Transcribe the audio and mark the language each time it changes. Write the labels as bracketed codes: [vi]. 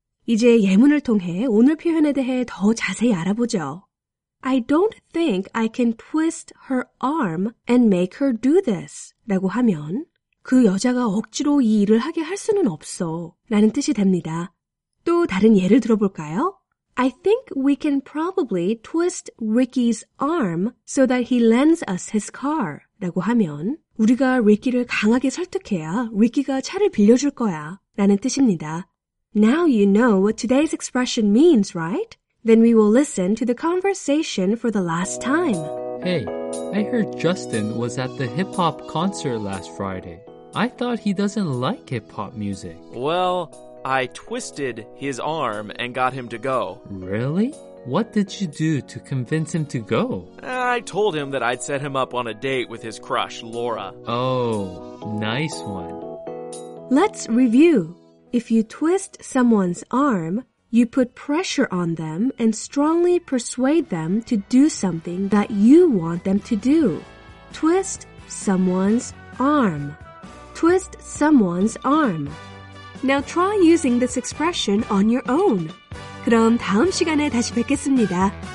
[ko] 이제 예문을 통해 오늘 표현에 대해 더 자세히 알아보죠. [en] I don't think I can twist her arm and make her do this [ko] 라고 하면 그 여자가 억지로 이 일을 하게 할 수는 없어 라는 뜻이 됩니다. 또 다른 예를 들어볼까요? [en] I think we can probably twist Ricky's arm so that he lends us his car. [ko] 라고 하면 우리가 Ricky를 강하게 설득해야 Ricky가 차를 빌려줄 거야 라는 뜻입니다. [en] Now you know what today's expression means, right? Then we will listen to the conversation for the last time. Hey, I heard Justin was at the hip-hop concert last Friday. I thought he doesn't like hip-hop music. Well, I twisted his arm and got him to go. Really? What did you do to convince him to go? I told him that I'd set him up on a date with his crush, Laura. Oh, nice one. Let's review. If you twist someone's arm, you put pressure on them and strongly persuade them to do something that you want them to do. Twist someone's arm. Twist someone's arm. Now try using this expression on your own. [ko] 그럼 다음 시간에 다시 뵙겠습니다.